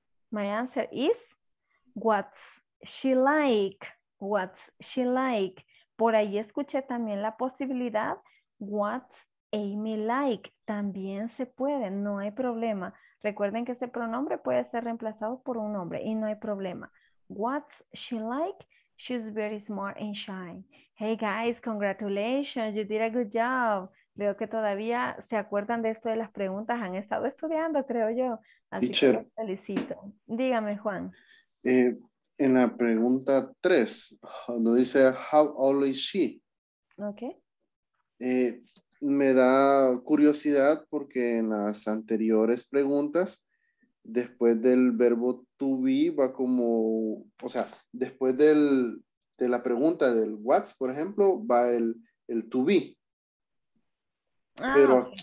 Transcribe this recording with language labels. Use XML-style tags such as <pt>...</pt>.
<en>My answer is, what's she like? What's she like?</en> <es>Por ahí escuché también la posibilidad,</es> <en>what's Amy like?</en> <es>También se puede, no hay problema. Recuerden que ese pronombre puede ser reemplazado por un nombre y no hay problema.</es> <en>What's she like? She's very smart and shy. Hey guys, congratulations, you did a good job.</en> <es>Veo que todavía se acuerdan de esto de las preguntas, han estado estudiando, creo yo. Así</es> <en>Teacher,</en> <es>que felicito. Dígame, Juan. En la pregunta 3, nos dice,</es> <en>how old is she? Ok.</en> <es>Me da curiosidad porque en las anteriores preguntas, después del verbo to be va como, o sea, después del, de la pregunta del what's, por ejemplo, va el to be. Pero okay.</es>